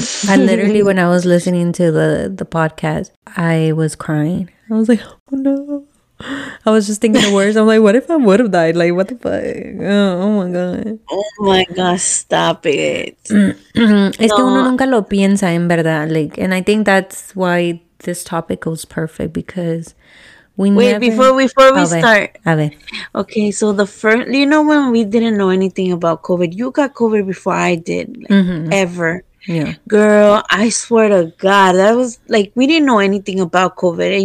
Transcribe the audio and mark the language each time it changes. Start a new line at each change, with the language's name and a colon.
English: I literally, when I was listening to the podcast, I was crying. I was like, oh no. I was just thinking the worst. I'm like, what if I would have died? Like, what the fuck? Oh my god, stop it.
Spanish: Es que uno nunca lo piensa, en verdad.
English: Like, and I think that's why this topic goes perfect, because Wait, before we start. Okay, so the first, you know, when we didn't know anything about COVID, you got COVID before I did, like, mm-hmm. ever. Yeah. Girl, I swear to God, that was like, we didn't know anything about COVID.